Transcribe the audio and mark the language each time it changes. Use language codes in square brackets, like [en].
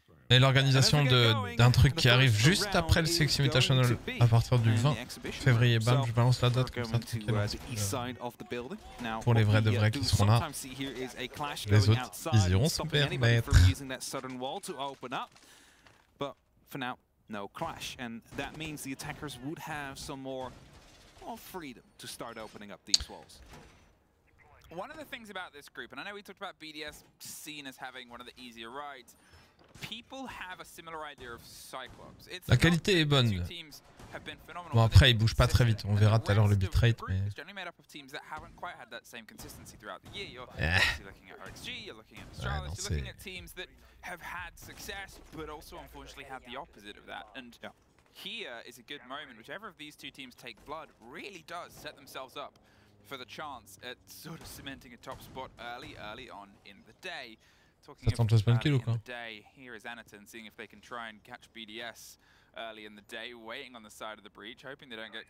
[fr] Et l'organisation d'un truc qui arrive juste après le Six Invitational à partir du 20 février. Bam, je balance la date comme ça tranquille. Pour les vrais de vrais qui seront là, les autres, ils iront se permettre. [en] no clash, and that means the attackers would have some more freedom to start opening up these walls. One of the things about this group, and I know we talked about BDS seen as having one of the easier rides, people have a similar idea of Cyclops. [fr] La qualité est bonne. Bon après, il bouge pas très vite. On verra tout à l'heure le bitrate, mais. [en] Here is a good moment. Whichever of these two teams take blood really does set themselves up for the chance at sort of cementing a top spot early on in the day. Talking about early in the day, here is Anaton seeing if they can try and catch BDS early in the day, waiting on the side of the breach, hoping they don't get